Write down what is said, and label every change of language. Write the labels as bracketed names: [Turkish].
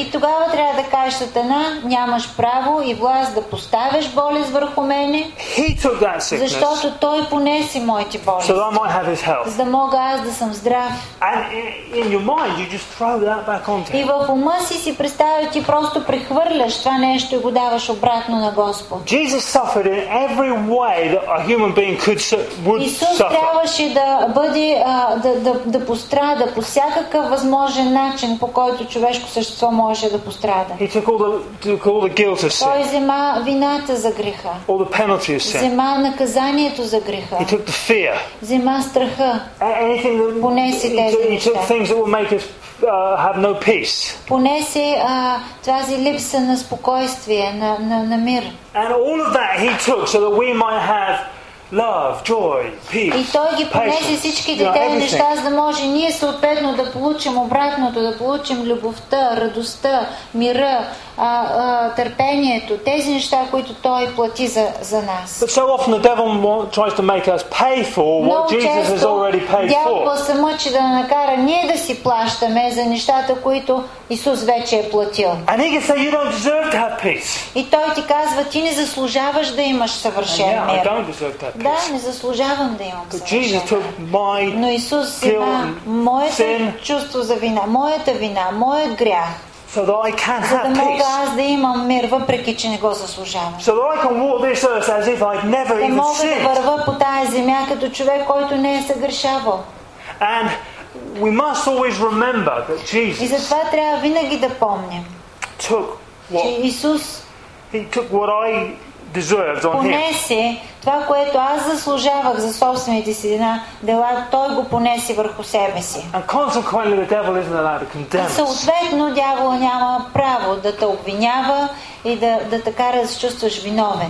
[Bulgarian] И тогава трябва да кажеш, Сатана, нямаш право и власт да поставяш болест върху мене. [English] He took that sickness. [Bulgarian] Защото той понеси моите болести. [English] So that I might have his health. [Bulgarian] За да мога аз да съм здрав. [English] And in your mind, you just throw that back on. [Bulgarian] И в ума си представя, ти просто прехвърляш това нещо и го даваш обратно на Господ. [English] Jesus suffered in every way that a human being could would [Bulgarian] Исус [English] suffer. [Bulgarian] Трябваше да бъде да пострада по всякакъв възможен начин, по който човешко същество може да пострада. [English] He took all the guilt of sin. [Bulgarian] Той взема вината за греха. [English] All the penalty of sin. [Bulgarian] Взема наказанието за греха. [English] He took the fear. [Bulgarian] Взема страха. [English] Anything that [Bulgarian] понеси тези неща. [English] He took things that will make us have no peace. [Bulgarian] Понесе тази липса на спокойствие, на мир. [English] And all of that he took so that we might have love, joy, peace. [Bulgarian] И той ги понесе всичките тези неща, за да може ние съответно да получим обратното, да получим любовта, радостта, мира, търпението, тези неща, които той плати за нас. [English] But so often the devil tries to make us pay for what Jesus has already paid for. [Bulgarian] Дявол се мъчи да накара ние да си плащаме за нещата, които Исус вече е платил. [English] And he can say, you don't deserve to have peace. [Bulgarian] И той ти казва, ти не заслужаваш да имаш съвършен мир. [English] Yeah, I don't deserve that peace. [Bulgarian] Да, не заслужавам да имам съвършен. Но Исус взима моето чувство за вина, моята вина, моят грях. [English] So that I can have peace. [Bulgarian] За да мога аз да имам мир, въпреки че не го заслужавам. [English] So that I can walk this earth as if I'd never even sinned. [Bulgarian] Да мога да вървя по тази земя като човек, който не е съгрешавал. [English] And we must always remember that Jesus. [Bulgarian] И затова трябва винаги да помним. [English] Took what? [Bulgarian] Че Исус. [English] He took what I deserved on him. [Bulgarian] Понесе това, което аз заслужавах за собствените си дела, той го понесе върху себе си. [English] And consequently, the devil isn't allowed to condemn us. [Bulgarian] Съответно, дявол няма право да те обвинява и да те кара да се чувстваш виновен.